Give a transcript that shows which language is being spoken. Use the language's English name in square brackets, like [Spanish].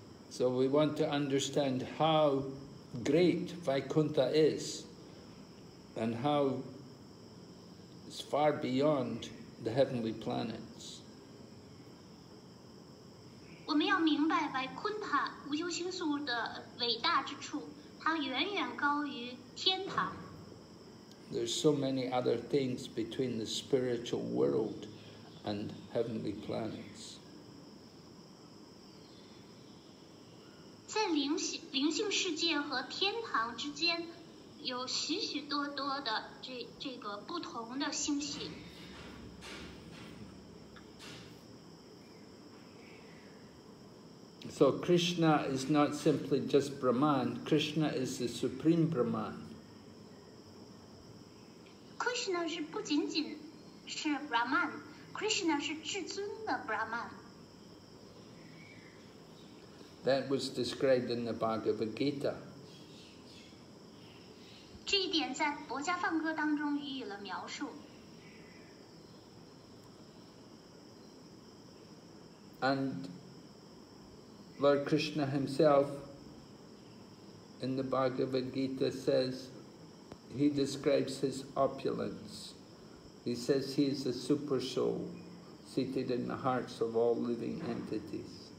[English] So we want to understand how great Vaikuntha is and how it's far beyond the heavenly planets. [Chinese] 我们要明白白昆塔无休星宿的伟大之处，它远远高于天堂。 [English] There's so many other things between the spiritual world and heavenly planets. [Chinese] 在灵性世界和天堂之间，有许许多多的这个不同的星系。 [English] So Krishna is not simply just Brahman, Krishna is the Supreme Brahman. Krishna is [Chinese] 不仅仅是 Brahman, Krishna is 至尊的 Brahman. [English] That was described in the Bhagavad Gita. [Chinese] 这一点在《薄伽梵歌》当中予以了描述。 [English] and Lord Krishna himself in the Bhagavad Gita says, he describes his opulence. He says he is a super soul seated in the hearts of all living entities.